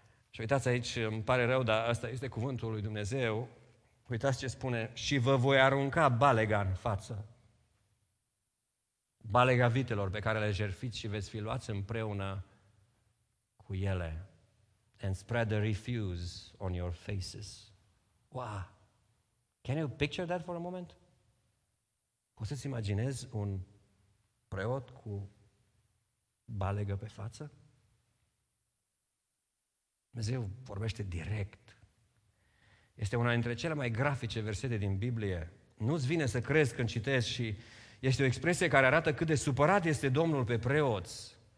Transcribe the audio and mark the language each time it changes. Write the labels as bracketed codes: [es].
[ro] Și uitați aici, îmi pare rău, dar ăsta este cuvântul lui Dumnezeu. Uitați ce spune, și vă voi arunca balega în față. Balega vitelor pe care le jertfiți și veți fi luați împreună cu ele. [en] And spread the refuse on your faces. Wow! Can you picture that for a moment? [ro] Poți să-ți imaginezi un preot cu balegă pe față? Dumnezeu vorbește direct. Este una dintre cele mai grafice versete din Biblie. Nu-ți vine să crezi când citesc și este o expresie care arată cât de supărat este Domnul pe preoți.